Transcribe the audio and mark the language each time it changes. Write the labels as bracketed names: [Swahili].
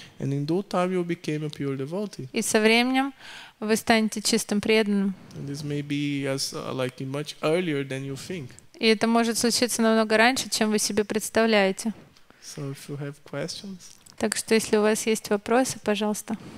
[English] And in due time you became a pure devotee. [Russian] И со временем вы станете чистым преданным. [English] And this may be as like much earlier than you think. [Russian] И это может случиться намного раньше, чем вы себе представляете. [English] So if you have questions. [Russian] Так что, если у вас есть вопросы, пожалуйста.